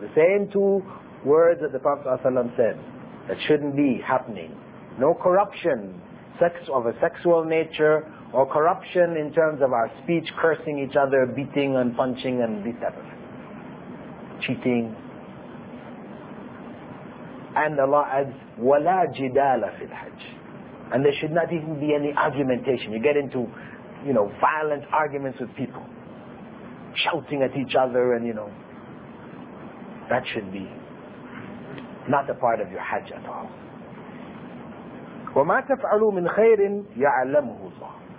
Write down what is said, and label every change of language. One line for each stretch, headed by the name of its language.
English: The same two words that the Prophet ﷺ said that shouldn't be happening. No corruption, sex of a sexual nature, or corruption in terms of our speech, cursing each other, beating and punching and this type of thing. Cheating. And Allah adds,
Arabic: وَلَا جِدَالَ فِي الْحَجِّ.
English: And there should not even be any argumentation. You get into, you know, violent arguments with people, shouting at each other, and you know, that should be not a part of your hajj at all.
Arabic: وَمَا تَفْعَلُوا مِنْ خَيْرٍ يَعْلَمُهُ اللَّهُ.